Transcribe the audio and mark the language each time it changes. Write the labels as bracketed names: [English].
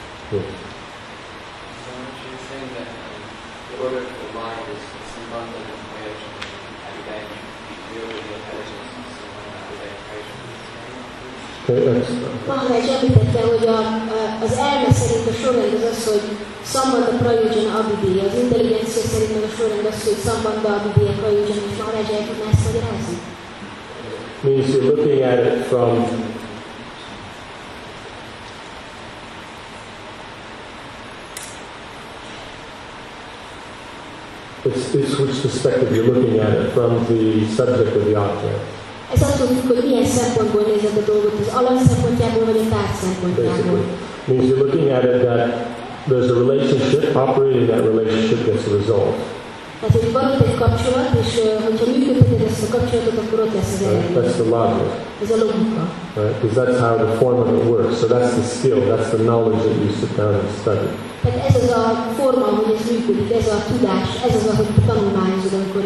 [English] So she's saying that the order of the mind is Sambandha and Prayajan, and then you feel the intelligence of Sambandha and Prayajan. [Hungarian] Maha egy említette, hogy az elme szerint a sorrend az az, hogy Sambandha Prayojana Abhidhiya, az intelligencia szerint meg a sorrend az, hogy Sambandha Abhidhiya Prayojana, és Maha egy tudná ezt magyarázni? [English] Means you're looking at it from it's which perspective you're looking at it from, the subject or the object. [Hungarian] Ez attól függ, hogy milyen szempontból nézed a dolgot, az alap szempontjából vagy a tárgy szempontjából. [English] Means you're looking at it that there's a relationship, operating that relationship gets a result. [Hungarian] Tehát, hogy van itt egy kapcsolat, és hogyha működheted ezt a kapcsolatot, akkor ott lesz az eredmény. [English] That's the logic. [Hungarian] Ez a logika. [English] Right? Because that's how the form of it works. So that's the skill, that's the knowledge that you sit down and study. [Hungarian] Tehát ez az a forma, hogy ez működik, ez a tudás, ez az, ahogy tanulmányozod, amikor